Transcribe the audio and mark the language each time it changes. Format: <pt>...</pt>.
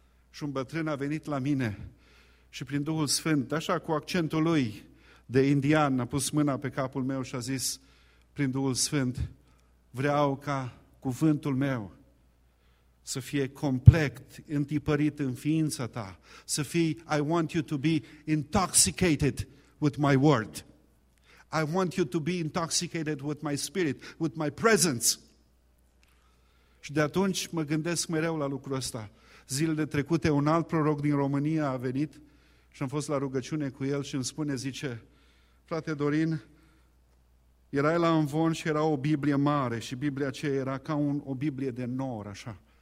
<ro>Și un bătrân a venit la mine și prin Duhul Sfânt, așa cu accentul lui, de indian, a pus mâna pe capul meu și a zis prin Duhul Sfânt, vreau ca cuvântul meu să fie complet întipărit în ființa ta, să fie,</ro> <en>I want you to be intoxicated with my word. I want you to be intoxicated with my spirit, with my presence.</en> <ro>Și de atunci mă gândesc mereu la lucrul ăsta. Zilele trecute un alt proroc din România a venit și am fost la rugăciune cu el și îmi spune, zice, frate Dorin, erai la învon și era o Biblie mare și Biblia aceea era ca o Biblie de nor, așa.</ro>